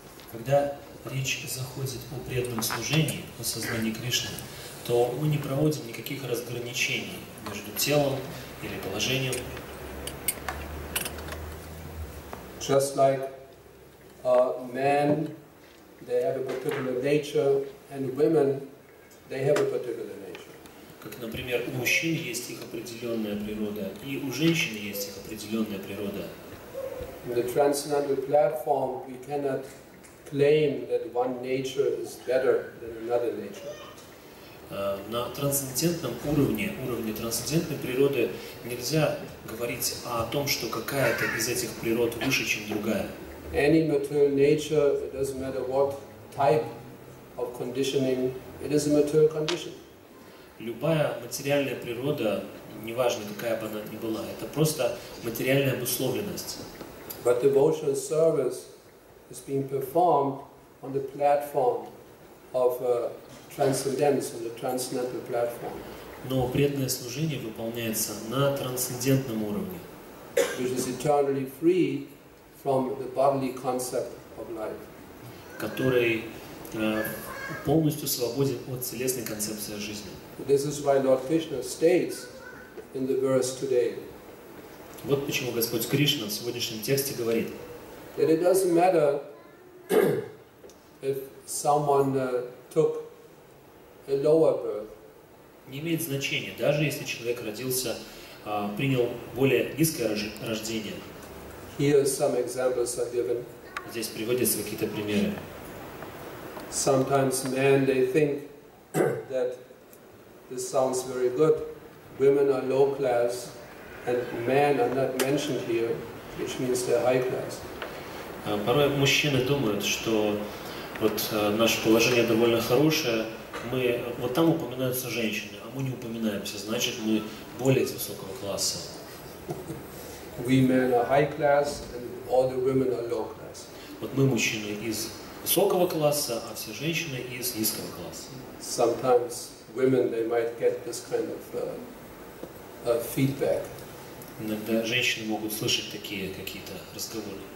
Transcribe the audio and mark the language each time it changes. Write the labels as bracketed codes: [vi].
[ru] Когда речь заходит о преданном служении, о сознании Кришны, то мы не проводим никаких разграничений между телом или положением. [en] Just like men, they have a particular nature, and women, they have a particular nature. [ru] Как, например, у мужчин есть их определенная природа, и у женщин есть их определенная природа. [en] In the transcendental platform, we cannot claim that one nature is better than another nature. [ru] На трансцендентном уровне, уровне трансцендентной природы, нельзя говорить о том, что какая-то из этих природ выше, чем другая. [en] Any material nature, it doesn't matter what type of conditioning, it is a material condition. [ru] Любая материальная природа, неважно, какая бы она ни была, это просто материальная обусловленность. [en] But devotional service is being performed on the platform of transcendence, on the transcendental platform. [ru] Но преданное служение выполняется на трансцендентном уровне, [en] which is eternally free from the bodily concept of life. [ru] Который полностью свободен от телесной концепции жизни. [en] This is why Lord Krishna states in the verse today. [ru] Вот почему Господь Кришна в сегодняшнем тексте говорит. [en] That it doesn't matter if someone took a lower birth. [ru] Не имеет значения, даже если человек родился, принял более низкое рождение. [en] Here some examples are given. [ru] Здесь приводятся какие-то примеры. [en] Sometimes men, they think that this sounds very good. Women are low class, and men are not mentioned here, which means they're high class. [ru] Порой мужчины думают, что вот наше положение довольно хорошее, мы вот там упоминаются женщины, а мы не упоминаемся, значит, мы более высокого класса. [en] We men are high class, and all the women are low class. [ru] Вот мы мужчины из высокого класса, а все женщины из низкого класса. [en] Sometimes women, they might get this kind of feedback. [ru] Иногда женщины могут слышать такие какие-то разговоры.